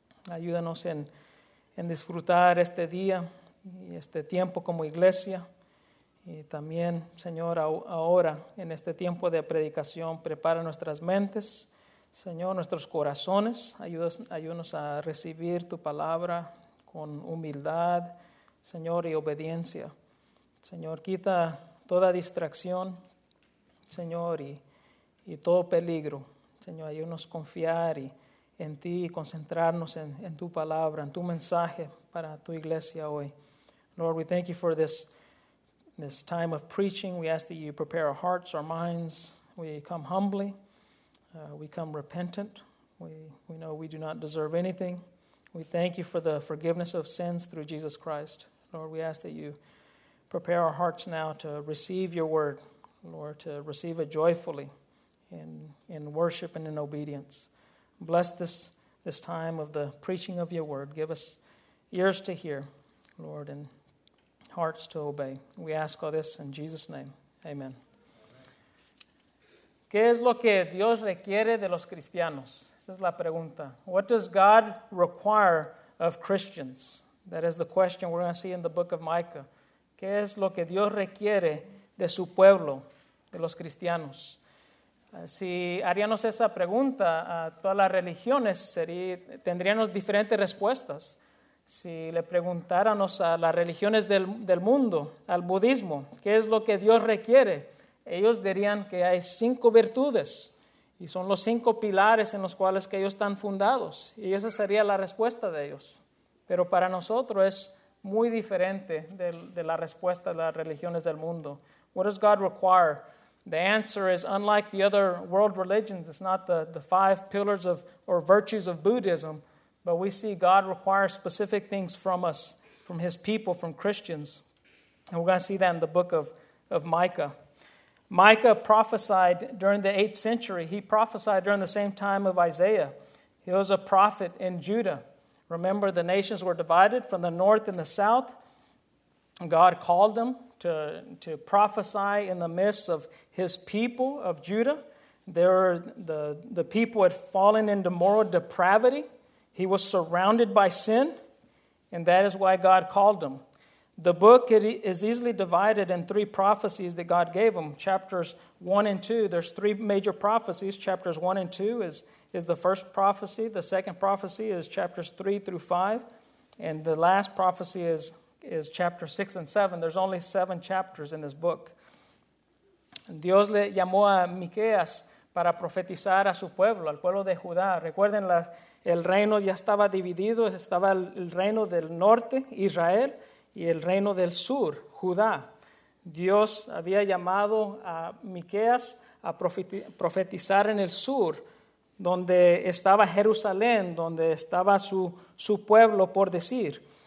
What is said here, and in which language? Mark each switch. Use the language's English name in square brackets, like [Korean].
[Spanish] Ayúdanos en disfrutar este día y este tiempo como iglesia y también, Señor, ahora en este tiempo de predicación, prepara nuestras mentes, Señor, nuestros corazones, ayúdanos a recibir tu palabra con humildad, Señor, y obediencia. Señor, quita toda distracción, Señor, y todo peligro. Señor, ayúdanos a confiar en ti y concentrarnos en tu palabra, en tu mensaje para tu iglesia hoy. [English] Lord, we thank you for this time of preaching. We ask that you prepare our hearts, our minds. We come humbly. We come repentant. We know we do not deserve anything. We thank you for the forgiveness of sins through Jesus Christ. Lord, we ask that you prepare our hearts now to receive your word, Lord, to receive it joyfully in worship and in obedience. Bless this time of the preaching of your word. Give us ears to hear, Lord, and hearts to obey. We ask all this in Jesus' name. Amen. [Spanish] ¿Qué es lo que Dios requiere de los cristianos? Esa es la pregunta. [English] What does God require of Christians? That is the question we're going to see in the book of Micah. [Spanish] ¿Qué es lo que Dios requiere de su pueblo, de los cristianos? Si haríamos esa pregunta a todas las religiones, tendríamos diferentes respuestas. Si le preguntáramos a las religiones del mundo, al budismo, ¿qué es lo que Dios requiere? Ellos dirían que hay cinco virtudes y son los cinco pilares en los cuales que ellos están fundados. Y esa sería la respuesta de ellos. Pero para nosotros es muy diferente de la respuesta de las religiones del mundo. [English] What does God require? The answer is unlike the other world religions. It's not the five pillars of or virtues of Buddhism. But we see God requires specific things from us, from his people, from Christians. And we're going to see that in the book of Micah. Micah prophesied during the 8th century. He prophesied during the same time of Isaiah. He was a prophet in Judah. Remember, the nations were divided from the north and the south. God called them to prophesy in the midst of his people of Judah. There, the people had fallen into moral depravity. He was surrounded by sin, and that is why God called them. The book is easily divided in three prophecies that God gave them, chapters 1 and 2. There's three major prophecies. Chapters 1 and 2 is the first prophecy. The second prophecy is chapters 3 through 5. And the last prophecy is chapter 6 and 7. There's only seven chapters in this book. [Spanish] Dios le llamó a Miqueas para profetizar a su pueblo, al pueblo de Judá. Recuerden, el reino ya estaba dividido, estaba el reino del norte, Israel, y el reino del sur, Judá. Dios había llamado a Miqueas a profetizar en el sur, donde estaba Jerusalén, donde estaba su pueblo, por decir.